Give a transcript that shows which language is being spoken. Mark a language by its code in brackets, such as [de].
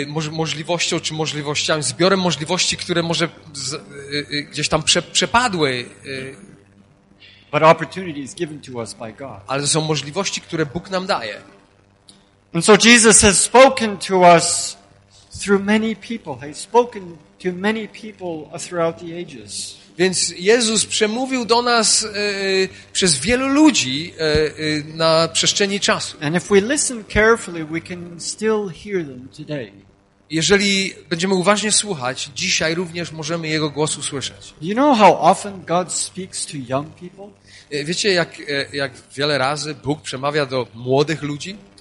[pl] Możliwością czy możliwościami, zbiorem możliwości, które może gdzieś tam przepadły. [en] But opportunity is given to us by God. [pl] Ale to są możliwości, które Bóg nam daje. [en] And so Jesus has spoken to us through many people. He's spoken to many people throughout the ages. [pl] Więc Jezus przemówił do nas przez wielu ludzi na przestrzeni czasu. [en] And if we listen carefully, we can still hear them today. [pl] Jeżeli będziemy uważnie słuchać, dzisiaj również możemy jego głos usłyszeć. [en] You know how often God speaks to young people? [pl] Wiecie, jak wiele razy Bóg przemawia do młodych ludzi?